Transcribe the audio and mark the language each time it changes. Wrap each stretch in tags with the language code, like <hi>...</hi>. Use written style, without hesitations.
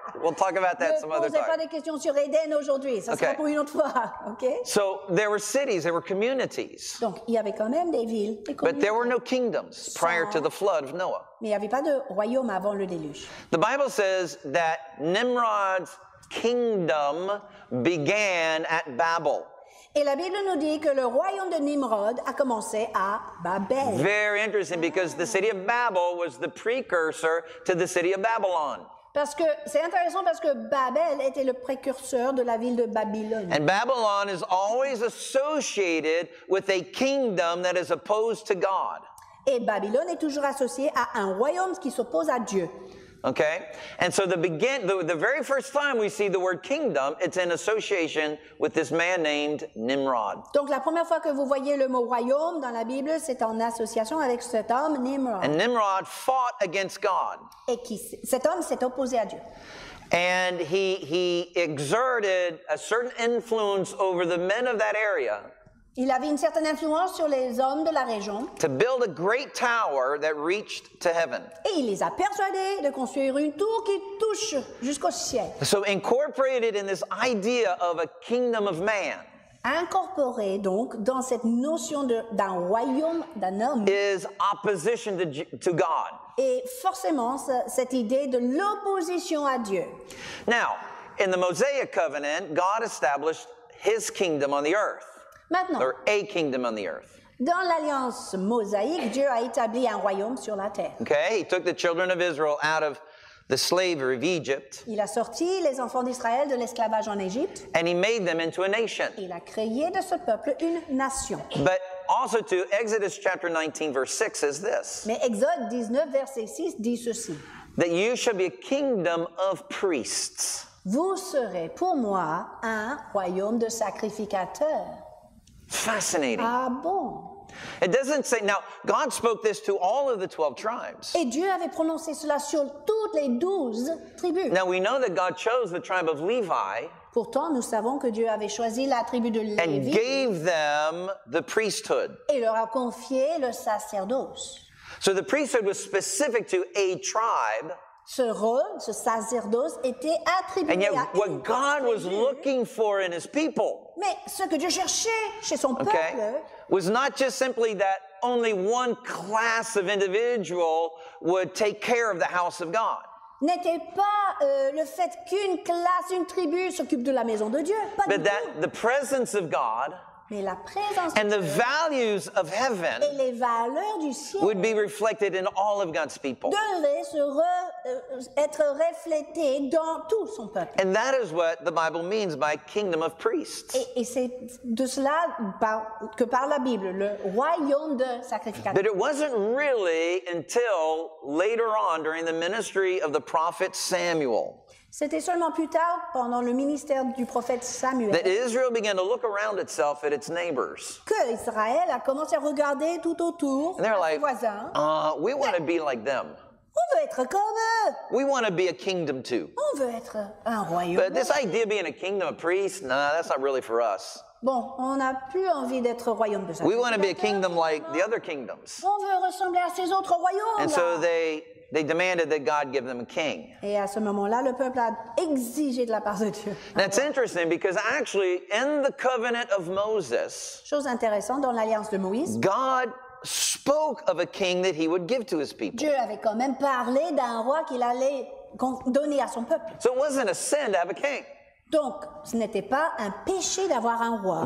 <en>We'll talk about that</en> <fr>ne</fr> <en>some other time.</en> <fr>Ne posez pas des questions sur Eden aujourd'hui. Ça okay. Sera pour une autre fois, okay?</fr> <en>So there were cities, there were communities.</en> <fr>Donc il y avait quand même des villes, des communautés.</fr> <en>But there were no kingdoms prior to the flood of Noah.</en> <fr>Mais il y avait pas de royaume avant le déluge.</fr> <en>The Bible says that Nimrod's kingdom began at Babel.</en> <fr>Et la Bible nous dit que le royaume de Nimrod a commencé à Babel.</fr> <en>Very interesting, because the city of Babel was the precursor to the city of Babylon.</en> <fr>Parce que c'est intéressant parce que Babel était le précurseur de la ville de Babylone.</fr> <en>And Babylon is always associated with a kingdom that is opposed to God.</en> <fr>Et Babylone est toujours associée à un royaume qui s'oppose à Dieu.</fr> <en>Okay, and so the very first time we see the word kingdom, it's in association with this man named Nimrod.</en> <fr>Donc la première fois que vous voyez le mot royaume dans la Bible, c'est en association avec cet homme Nimrod.</fr> <en>And Nimrod fought against God.</en> <fr>Et qui, cet homme s'est opposé à Dieu.</fr> <en>And he exerted a certain influence over the men of that area.</en> <fr>Il avait une certaine influence sur les hommes de la région.</fr> <en>To build a great tower that reached to heaven.</en> <fr>Et il les a persuadés de construire une tour qui touche jusqu'au ciel.</fr> <en>So incorporated in this idea of a kingdom of man.</en> <fr>Incorporé donc dans cette notion d'un royaume d'un homme.</fr> <en>Is opposition to God.</en> <fr>Et forcément cette idée de l'opposition à Dieu.</fr> <en>Now, in the Mosaic covenant, God established his kingdom on the earth.</en> <fr>Maintenant,</fr> <en>or a kingdom on the earth.</en> <fr>Dans l'alliance mosaïque, Dieu a établi un royaume sur la terre.</fr> <en>Okay, he took the children of Israel out of the slavery of Egypt.</en> <fr>Il a sorti les enfants d'Israël de l'esclavage en Égypte.</fr> <en>And he made them into a nation.</en> <fr>Il a créé de ce peuple une nation.</fr> <en>But also to Exodus chapter 19 verse 6 says this.</en> <fr>Mais Exode 19 verset 6 dit ceci.</fr> <en>That you shall be a kingdom of priests.</en> <fr>Vous serez pour moi un royaume de sacrificateurs.</fr> <en>Fascinating.</en> <fr>Ah bon?</fr> <en>It doesn't say, now, God spoke this to all of the 12 tribes.</en> <fr>Et Dieu avait prononcé cela sur toutes les 12 tribus.</fr> <en>Now, we know that God chose the tribe of Levi.</en> <fr>Pourtant, nous savons que Dieu avait choisi la tribu de Lévi.</fr> <en>And gave them the priesthood.</en> <fr>Et leur a confié le sacerdoce.</fr> <en>So the priesthood was specific to a tribe.</en> <fr>Ce rôle, ce sacerdoce, était attribué</fr> <en>and yet,</en> <fr>à</fr> <en>what God was looking for in his people.</en> <fr>Mais ce que Dieu cherchait chez son peuple,</fr> <en>okay, was not just simply that only one class of individual would take care of the house of God.</en> <fr>N'était pas le fait qu'une classe, une tribu s'occupe de la maison de Dieu, pas</fr> <en>but</en> <fr>du tout.</fr> <en>That the presence of God</en> <fr>mais la présence</fr> <en>and the values of heaven</en> <fr>et les valeurs du ciel</fr> <en>would be reflected in all of God's people.</en> <fr>Devait être reflété dans tout son peuple.</fr> <en>And that is what the Bible means by kingdom of priests.</en> <fr>Et c'est de cela que parle la Bible, le royaume de sacrificateurs.</fr> <en>But it wasn't really until later on during the ministry of the prophet Samuel.</en> <fr>C'était seulement plus tard, pendant le ministère du prophète Samuel,</fr> <en>that Israel began to look around itself at its neighbors.</en> <fr>Que Israël a commencé à regarder tout autour,</fr> <en>and they're like,</en> <fr>ses voisins.</fr> <en>We want to be like them.</en> <fr>On veut être comme eux.</fr> <en>We want to be a kingdom too.</en> <fr>On veut être un royaume.</fr> <en>But this idea of being a kingdom, a priest, that's not really for us.</en> <fr>Bon, on n'a plus envie d'être royaume de</fr> <en>We want to be a kingdom like the other kingdoms.</en> <fr>On veut ressembler à ces autres royaumes.</fr> <en>And so they demanded that God give them a king.</en> <fr>Et à ce moment-là, le peuple a exigé de la part de Dieu.</fr> <en>That's interesting because actually, in the covenant of Moses,</en> <fr>chose intéressante dans l'alliance de Moïse,</fr> <en>God spoke of a king that he would give to his people.</en> <fr>Dieu avait quand même parlé d'un roi qu'il allait donner à son peuple.</fr> <en>So it wasn't a sin to have a king.</en> <fr>Donc, ce n'était pas un péché d'avoir un roi.</fr>